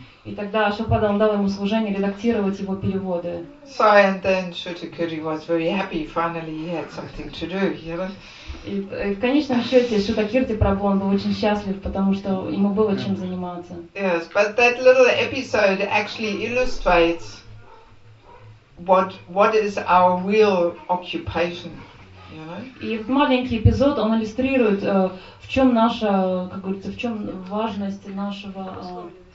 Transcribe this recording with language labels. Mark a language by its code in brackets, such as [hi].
[ru] И тогда Шилпада дал ему служение редактировать его переводы. [en] So and then Shruti Kirti was very happy. Finally, he had something to do, you know. [ru] И в конечном счете Шрута Кирти Прабху был очень счастлив, потому что ему было чем заниматься. [en] Yes, but that little episode actually illustrates what is our real occupation, you know? [ru] И маленький эпизод он иллюстрирует, в чем наша, как говорится, в чем важность нашего.